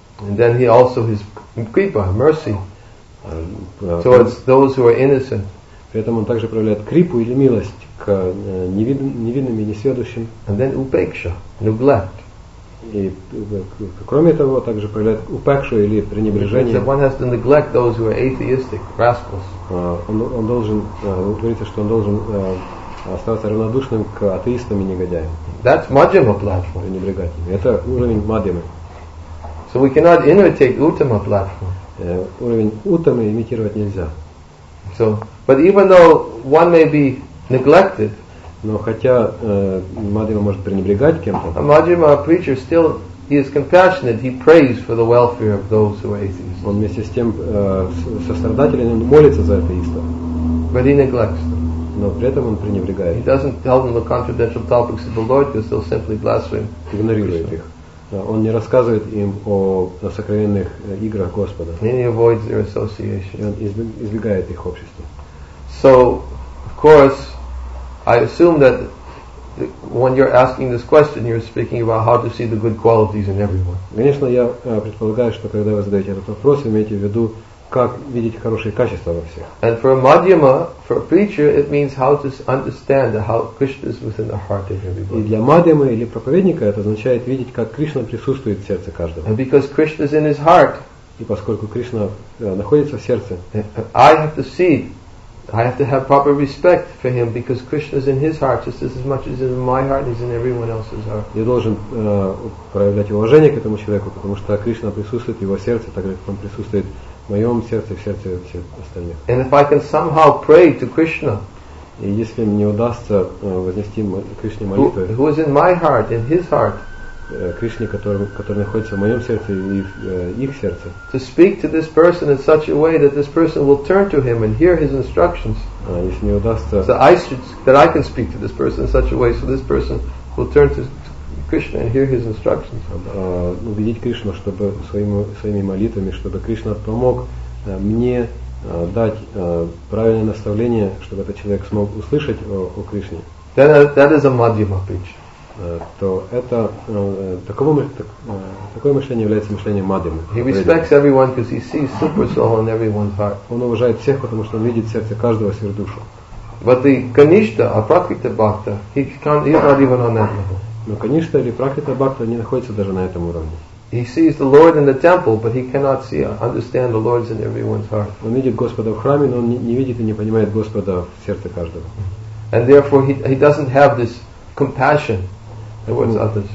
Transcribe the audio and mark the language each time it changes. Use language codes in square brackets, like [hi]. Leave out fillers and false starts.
[en] And then he also his kripa, mercy, towards those who are innocent. [ru] При этом он также проявляет крипу или милость к невинным и несведущим. [en] And then upeksha, neglect. [ru] И кроме того, также проявляет упекшу или пренебрежение. [en] One has to neglect those who are atheistic rascals. [ru] Он должен, говорится, что он должен оставаться равнодушным к атеистам и негодяям. [en] That's Madhyama platform. [ru] Пренебрегать ими. Это уровень Мадхьямы. [en] So we cannot imitate Uttama platform. [ru] Уровень Уттамы имитировать нельзя. [en] So, but even though one may be neglected, [ru] но хотя Мадхьяма может пренебрегать кем-то. [en] A Mahajima preacher still he is compassionate. He prays for the welfare of those who are atheists. [ru] Он вместе с тем сострадателен, он молится за атеистов. [en] But he neglects them. [ru] Но при этом он пренебрегает. [en] He doesn't tell them the confidential topics of the Lord. They're still simply blaspheming. [ru] Игнорирует их. Он не рассказывает им о сокровенных играх Господа. [en] And he avoids their association. [ru] И он избегает их общества. [en] So, of course. I assume that when you're asking this question, you're speaking about how to see the good qualities in everyone. [ru] Конечно, я предполагаю, что когда вы задаете этот вопрос, вы имеете в виду, как видеть хорошие качества во всех. [en] And for a Madhyama, for a preacher, it means how to understand how Krishna is within the heart of everybody. [ru] И для Мадхьямы или проповедника это означает видеть, как Кришна присутствует в сердце каждого. [en] And because Krishna is in his heart, [ru] и поскольку Кришна находится в сердце, [en] I have to see. I have to have proper respect for him because Krishna is in his heart just as much as in my heart is in everyone else's heart. [ru] Я должен проявлять уважение к этому человеку, потому что Кришна присутствует в его сердце, так как он присутствует в моем сердце и в сердце всех остальных. [en] And if I can somehow pray to Krishna, [ru] и если мне удастся вознести Кришне молитву, [en] who is in my heart, in his heart, [ru] Кришне, который находится в моем сердце и в их сердце. [en] To speak to this person in such a way that this person will turn to him and hear his instructions. [ru] Если мне удастся. [en] So I should, that I can speak to this person in such a way, so this person will turn to Krishna and hear his instructions. [ru] Убедить Кришну, чтобы своими молитвами, чтобы Кришна помог мне дать правильное наставление, чтобы этот человек смог услышать о Кришне. [en] That is a Madhyama preacher. [ru] То это такое мышление является мышлением Мадхьямы. [en] He respects everyone because he sees super soul in everyone's heart. [ru] Он уважает всех, потому что он видит в сердце каждого сердушу. [en] But the Kanishta, a Prakrita Bhakta, he's not even on that level. [ru] Но Kanishta или Prakrita Bhakta не находится даже на этом уровне. [en] He sees the Lord in the temple, but he cannot see, understand the Lord's in everyone's heart. [ru] Он видит Господа в храме, но он не видит и не понимает Господа в сердце каждого. [en] And therefore he doesn't have this compassion towards others.